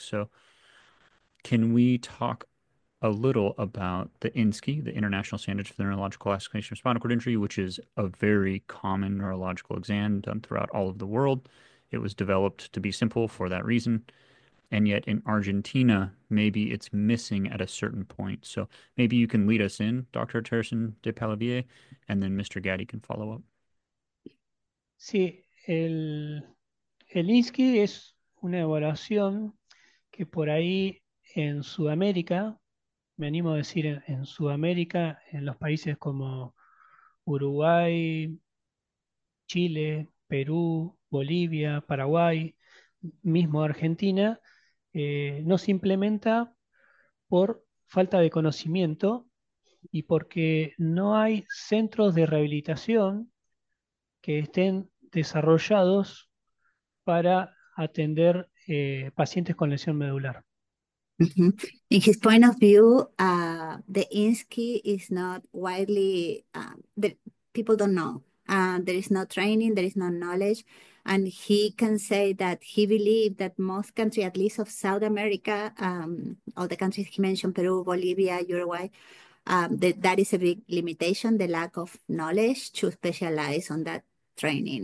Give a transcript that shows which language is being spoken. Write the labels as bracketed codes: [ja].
[en] So can we talk a little about the INSCI, the International Standards for the Neurological Classification of Spinal Cord Injury, which is a very common neurological exam done throughout all of the world? It was developed to be simple for that reason. And yet in Argentina, maybe it's missing at a certain point. So maybe you can lead us in, Dr. Teresin de Pallavier, and then Mr. Gatti can follow up. [es] Sí, el INSCI es una evaluación que por ahí en Sudamérica, me animo a decir en Sudamérica, en los países como Uruguay, Chile, Perú, Bolivia, Paraguay, mismo Argentina, no se implementa por falta de conocimiento y porque no hay centros de rehabilitación que estén desarrollados para atender pacientes con lesión medular. [en] In his point of view, the INSCI is not widely, the people don't know. There is no training, there is no knowledge. And he can say that he believed that most countries, at least of South America, all the countries he mentioned, Peru, Bolivia, Uruguay, that is a big limitation, the lack of knowledge to specialize on that training.